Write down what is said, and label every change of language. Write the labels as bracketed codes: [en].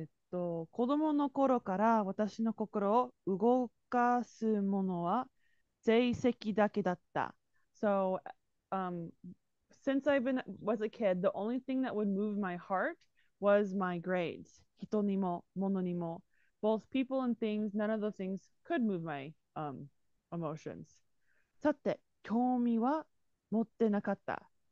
[ja] 子供の頃から私の心を動かすものは成績だけだった。 [en] So, since I've been was a kid, the only thing that would move my heart was my grades. [ja] 人にも物にも。 [en] Both people and things, none of the things could move my emotions. [ja] さて、興味は持ってなかった。